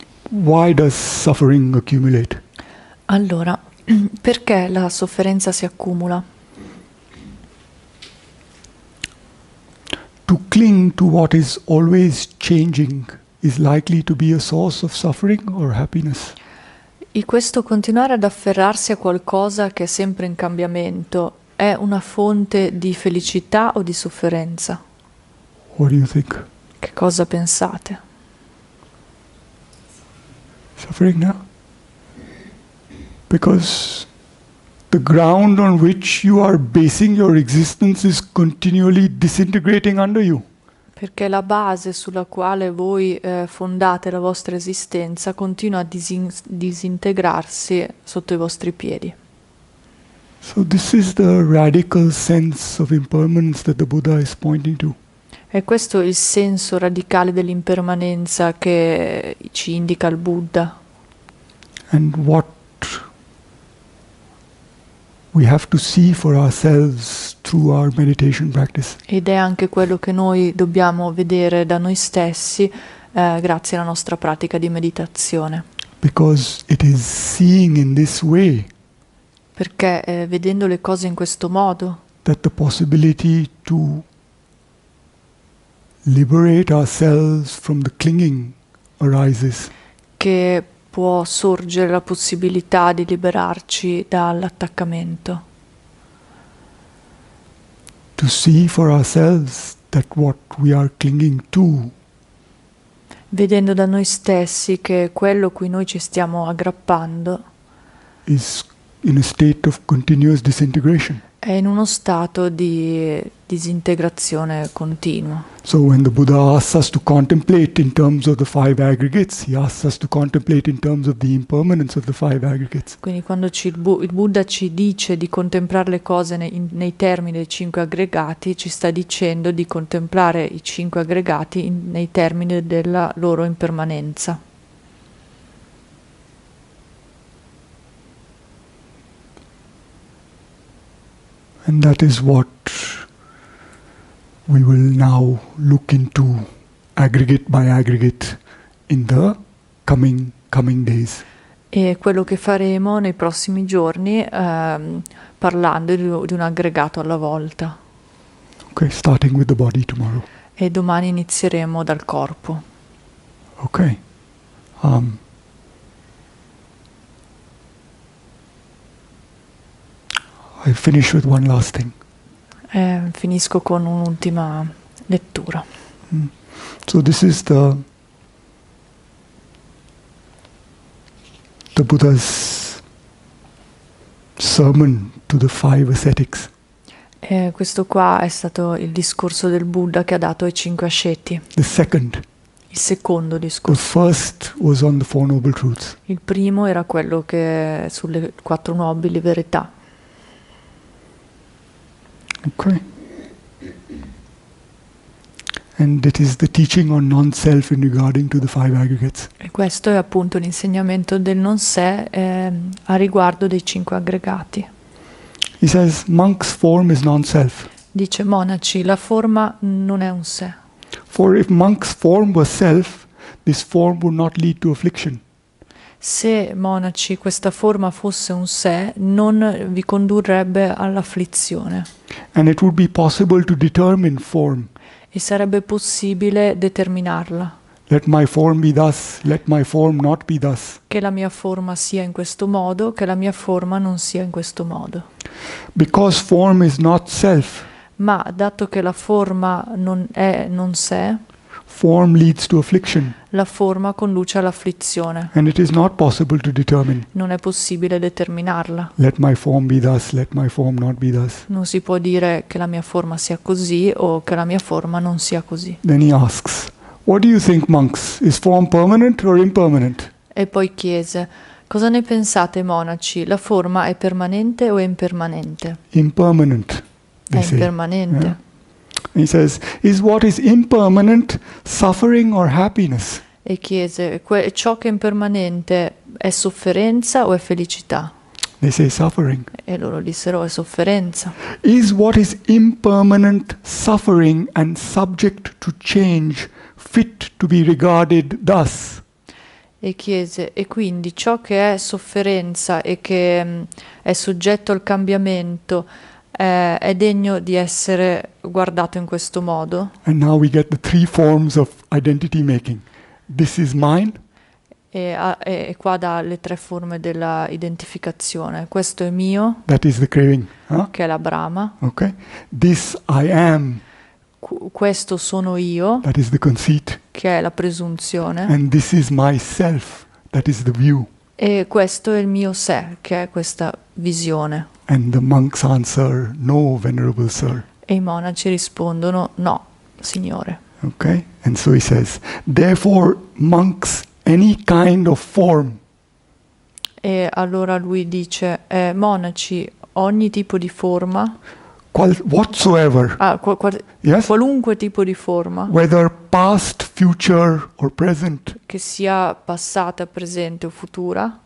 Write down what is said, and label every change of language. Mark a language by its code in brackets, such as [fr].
[en] Why does suffering accumulate? [it] Allora, perché la sofferenza si accumula? [en] Cling to what is always changing is likely to be a source of suffering or happiness. [it] Questo continuare ad afferrarsi a qualcosa che è sempre in cambiamento è una fonte di felicità o di sofferenza? Che [en] What do you think? [it] cosa pensate? [en] Suffering now? Because the ground on which you are basing your existence is continually disintegrating under you. [it] Perché la base sulla quale voi fondate la vostra esistenza continua a disintegrarsi sotto i vostri piedi. [en] So this is the radical sense of impermanence that the Buddha is pointing to. [it] E questo è il senso radicale dell'impermanenza che ci indica il Buddha. [en] And what we have to see for ourselves through our meditation practice. [it] Ed è anche quello che noi dobbiamo vedere da noi stessi, grazie alla nostra pratica di meditazione. [en] Because it is seeing in this way [it] Perché, vedendo le cose in questo modo, [en] that the possibility to liberate ourselves from the clinging arises. [it] che può sorgere la possibilità di liberarci dall'attaccamento. [en] To see for ourselves that what we are clinging to. [it] Vedendo da noi stessi che quello a cui noi ci stiamo aggrappando [en] Is in a state of continuous disintegration. [it] è in uno stato di disintegrazione continua. [en] So when the Buddha asks us to contemplate in terms of the five aggregates, he asks us to contemplate in terms of the impermanence of the five aggregates. [it] Quindi quando il Buddha ci dice di contemplare le cose nei termini dei cinque aggregati, ci sta dicendo di contemplare i cinque aggregati nei termini della loro impermanenza. [en] And that is what we will now look into aggregate by aggregate in the coming days. [it] E quello che faremo nei prossimi giorni, parlando di un aggregato alla volta. E [en] Okay, starting with the body tomorrow. [it] domani inizieremo dal corpo. [en] Okay. I finish with one last thing. [it] Finisco con un'ultima lettura. [en] So this is the Buddha's sermon to the five ascetics. [it] Questo qua è stato il discorso del Buddha che ha dato ai cinque asceti. [en] The second. [it] Il Il secondo [en] The [it] discorso. [en] first was on the Four Noble Truths. [it] Il primo era quello che è sulle quattro nobili verità. [en] Okay. And it is the teaching on non-self in regarding to the five aggregates. [it] Questo è appunto l'insegnamento del non sé, a riguardo dei cinque aggregati. Dice, [en] He says, monk's form is non-self. [it] monaci, la forma non è un sé. [en] For if monk's form was self, this form would not lead to affliction. [it] Se, monaci, questa forma fosse un sé, non vi condurrebbe all'afflizione. [en] And it would be possible to determine form. [it] E sarebbe possibile determinarla. [en] Let my form be thus, let my form not be thus. [it] Che la mia forma sia in questo modo, che la mia forma non sia in questo modo. [en] Because form is not self. [it] Ma dato che la forma non è non sé, [en] Form leads to affliction, [it] la forma conduce all'afflizione. [en] and it is not possible to determine. [it] Non è possibile determinarla. [en] Let my form be thus, let my form not be thus. [it] Non si può dire che la mia forma sia così o che la mia forma non sia così. [en] Then he asks, What do you think, monks? Is form permanent or impermanent? [it] E poi chiese, cosa ne pensate, monaci? La forma è permanente o impermanente? [en] Impermanent, [it] È [en] they say. Yeah. [it] impermanente. [en] He says, Is what is impermanent suffering or happiness? [it] E chiese, ciò che è impermanente è sofferenza o è felicità? [en] They say suffering. [it] E loro dissero, è sofferenza. [en] Is what is impermanent suffering and subject to change fit to be regarded thus? [it] E chiese, e quindi ciò che è sofferenza e che è soggetto al cambiamento è degno di essere guardato in questo modo? [en] And now we get the three forms of identity making. This is mine. [it] E qua dà le tre forme della identificazione. Questo è mio, [en] That is the craving, huh? [it] che è la brama. [en] Okay. This I am. [it] Questo sono io, [en] That is the conceit. [it] che è la presunzione. [en] And this is myself. That is the view. [it] E questo è il mio sé, che è questa visione. [en] And the monks answer, No, venerable sir. [it] E i monaci rispondono: no, signore. [en] Okay, and so he says, therefore, monks, any kind of form. [it] E allora lui dice: monaci, ogni tipo di forma, [en] Whatsoever, yes? [it] qualunque tipo di forma, [en] Whether past, future or present, [it] che sia passata, presente o futura,